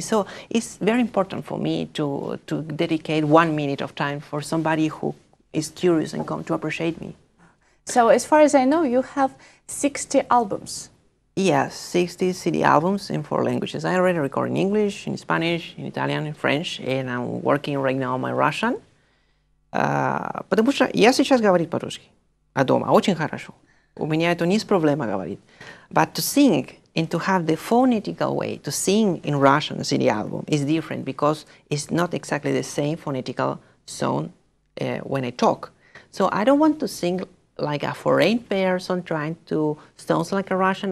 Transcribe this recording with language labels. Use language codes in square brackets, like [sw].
[en] So it's very important for me to dedicate 1 minute of time for somebody who is curious and come to appreciate me. So as far as I know, you have 60 albums. Yes, 60 CD albums in four languages. I already record in English, in Spanish, in Italian, in French, and I'm working right now on my Russian. [ru] Потому что я сейчас говорю по-русски, а дома очень хорошо. У меня это не проблема говорить. [en] But to sing and to have the phonetical way to sing in Russian CD album is different because it's not exactly the same phonetical sound when I talk. So I don't want to sing like a foreign person trying to sound like a Russian.